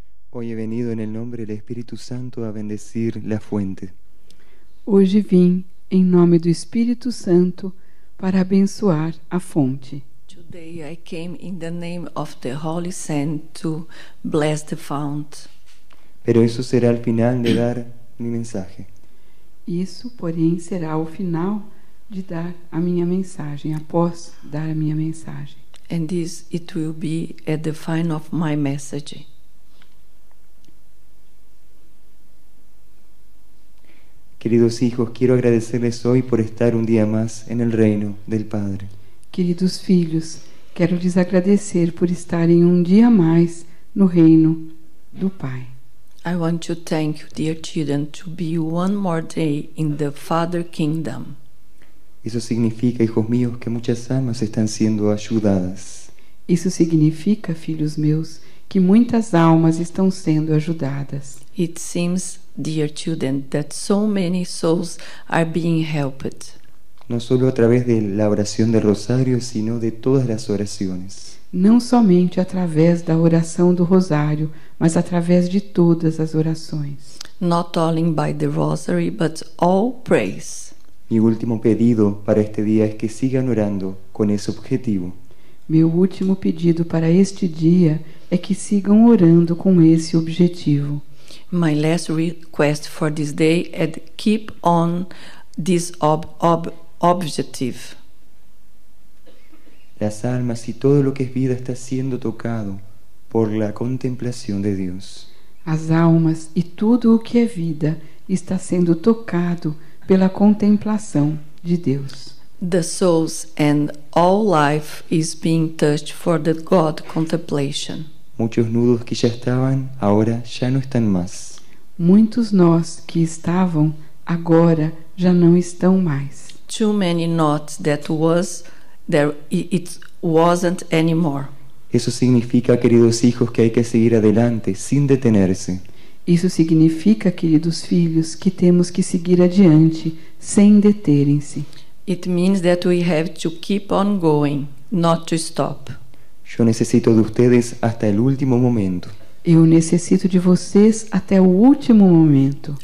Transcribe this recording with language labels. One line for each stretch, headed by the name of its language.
Spanish: Hoy he venido en el nombre del Espíritu Santo a bendecir la fuente.
Portuguese: Hoje vim em nome do Espírito Santo para abençoar a fonte.
English: Today I came in the name of the Holy Saint to bless the font.
Spanish: Pero eso será al final de dar mi mensaje.
Portuguese: Isso, porém, será o final de dar a minha mensagem, após dar a minha mensagem.
English: And this it will be at the final of my message.
Spanish: Queridos hijos, quiero agradecerles hoy por estar un día más en el reino del Padre.
Portuguese: Queridos filhos, quero lhes agradecer por estarem um dia mais no reino do Pai.
English: I want to thank you, dear children, to be one more day in the Father Kingdom.
Spanish: Eso significa, hijos míos, que muchas almas están siendo ayudadas.
Portuguese: Isso significa, filhos meus, que muitas almas estão sendo ajudadas.
English: It seems, dear children, that so many souls are being helped.
Spanish: No solo a través de la oración del rosario, sino de todas las oraciones.
Portuguese: Não somente através da oração do rosário, mas através de todas as orações.
English: Not only by the rosary, but all prayers.
Spanish: Mi último pedido para este día es que sigan orando con ese objetivo.
Portuguese: Meu último pedido para este dia é que sigam orando com esse objetivo.
English: My last request for this day is keep on this objective.
Spanish: Las almas y todo lo que es vida está siendo tocado por la contemplación de Dios.
Portuguese: As almas e tudo o que é vida está sendo tocado pela contemplação de Deus.
English: The souls and all life is being touched for the God contemplation.
Spanish: Muchos nudos que ya estaban, ahora ya no están más.
Portuguese: Muitos nós que estavam, agora já não estão mais.
English: Too many knots that was there, it wasn't anymore.
Spanish: Eso significa, queridos hijos, que hay que seguir adelante sin detenerse.
Portuguese: Isso significa, queridos filhos, que temos que seguir adiante sem deterem-se.
English: It means that we have to keep on going, not to stop.
Spanish: Yo necesito de ustedes hasta el último momento.
Portuguese: Eu necessito de vocês até o último momento.